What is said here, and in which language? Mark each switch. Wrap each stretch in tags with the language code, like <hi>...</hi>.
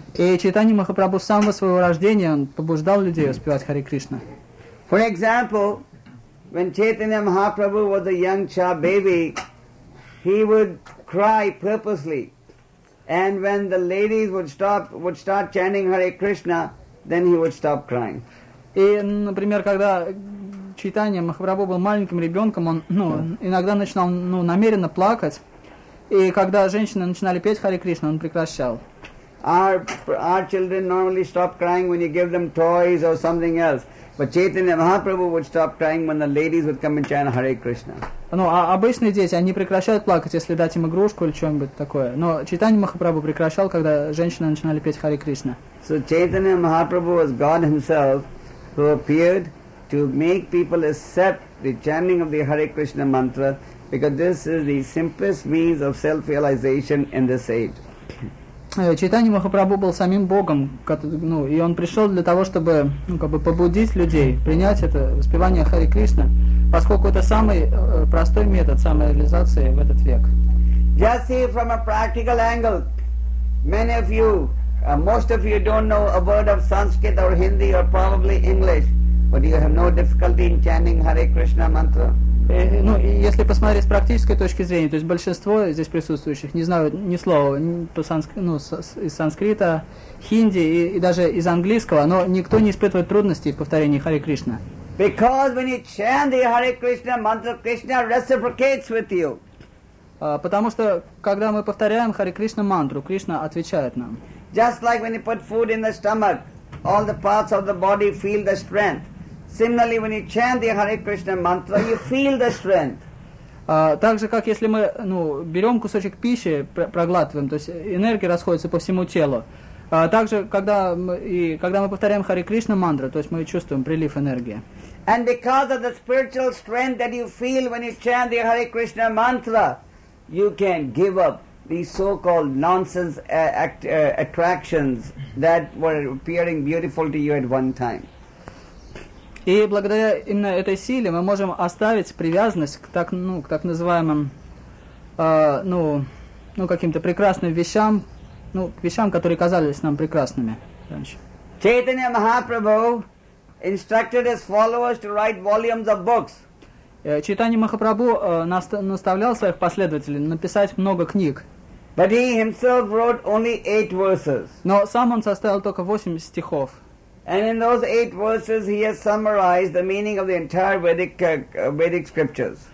<ru>И Чайтанья Махапрабху с самого своего рождения, он побуждал людей воспевать Харе Кришна.</ru> <en>For example, when Chaitanya Mahaprabhu was a young child baby, he would cry purposely. And when the ladies would start chanting Hare Krishna, then he would stop crying.</en> <ru>И, например, когда Чайтанья Махапрабху был маленьким ребенком, он, ну, иногда начинал, ну, намеренно плакать. И когда женщины начинали петь Hare Krishna, он прекращал.</ru> <en>Our children normally stop crying when you give them toys or something else. But Chaitanya Mahaprabhu would stop crying when the ladies would come and chant Hare Krishna.</en> <ru>Ну, а обычные дети, они прекращают плакать, если дать им игрушку или что-нибудь такое. Но Чайтанья Махапрабху прекращал, когда женщины начинали петь Харе Кришна.</ru> <en>So Chaitanya Mahaprabhu was God himself who appeared to make people accept the chanting of the Hare Krishna mantra because this is the simplest means of self-realization in this age.</en> <ru>Чайтанья Махапрабху был самим Богом, ну, и он пришел для того, чтобы, ну, как бы побудить людей принять это воспевание Харе Кришна, поскольку это самый простой метод самореализации в этот век.</ru> <en>Just see from a practical angle, many of you, most of you don't know a word of Sanskrit or Hindi or probably English, but you have no difficulty in chanting Hare Krishna mantra.</en> <ru>Ну, если посмотреть с практической точки зрения, то есть большинство здесь присутствующих не знают ни слова из санскрита, хинди и даже из английского, но никто не испытывает трудностей в повторении Харе Кришна.</ru> <en>Because when you chant the Hare Krishna mantra, Krishna reciprocates with you.</en> <ru>Потому что когда мы повторяем Харе Кришна мантру, Кришна отвечает нам.</ru> <en>Just like when you put food in the stomach, all the parts of the body feel the strength. Similarly, when you chant the Hare Krishna mantra, you feel the strength.</en> <ru>Так же, как если мы, берем кусочек пищи, проглатываем, то есть энергия расходится по всему телу. Также, когда мы повторяем Харе Кришна мантру, то есть мы чувствуем прилив энергии.</ru> <en>And because of the spiritual strength that you feel when you chant the Hare Krishna mantra, you can give up these so-called nonsense attractions that were appearing beautiful to you at one time.</en> <ru>И благодаря именно этой силе мы можем оставить привязанность к так называемым каким-то прекрасным вещам, к вещам, которые казались нам прекрасными раньше.</ru> <en>Chaitanya Mahaprabhu instructed his followers to write volumes of books.</en> <ru>Чайтанья Махапрабху наставлял своих последователей написать много книг.</ru> <en>But he himself wrote only 8 verses.</en> <ru>Но сам он составил только 8 стихов.</ru> <en>And in those 8 verses he has summarized the meaning of the entire Vedic scriptures.</en>